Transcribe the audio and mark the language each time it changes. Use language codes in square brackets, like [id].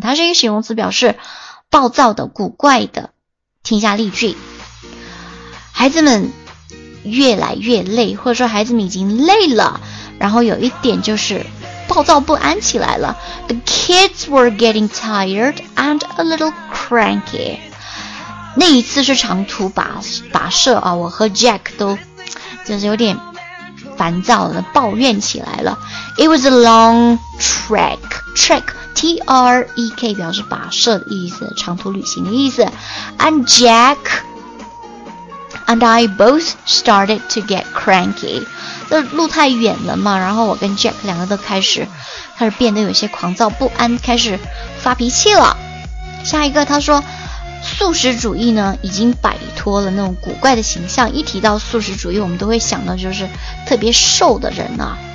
[zh] 它是一个形容词，表示暴躁的，古怪的。听一下例句，孩子们越来越累，或者说孩子们已经累了，然后有一点就是暴躁不安起来了。 [en] The kids were getting tired and a little cranky. [zh] 那一次是长途跋涉啊，我和 Jack 都就是有点烦躁的抱怨起来了。 [en] It was a long trek, [zh] T-R-E-K 表示跋涉的意思，长途旅行的意思。 [en] And Jack and I both started to get cranky. [zh] 这路太远了嘛，然后我跟 Jack 两个都开始变得有些狂躁不安，开始发脾气了。下一个他说，素食主义呢已经摆脱了那种古怪的形象，一提到素食主义我们都会想到就是特别瘦的人啊。